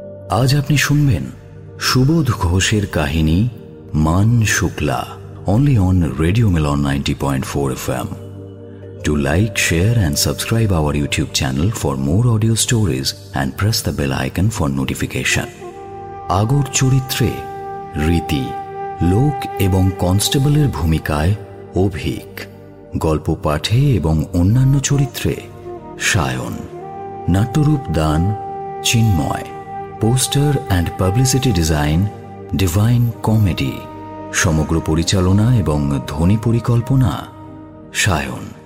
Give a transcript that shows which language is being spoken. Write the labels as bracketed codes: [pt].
[bn] আজ আপনি শুনবেন সুবোধ ঘোষের কাহিনী মানশুক্লা, [en] only on Radio Melon 90.4 FM. Do like, share and subscribe our YouTube channel for more audio stories and press the bell icon for notification. [bn] আগর চরিত্রে রীতি, লোক এবং কনস্টেবলের ভূমিকায় অভিক, গল্প পাঠে এবং অন্যান্য চরিত্রে সায়ন, নাট্যরূপ দান চিন্ময়, [en] poster and publicity design [bn] divine comedy, সমগ্র পরিচালনা এবং ধ্বনি পরিকল্পনা সায়ন।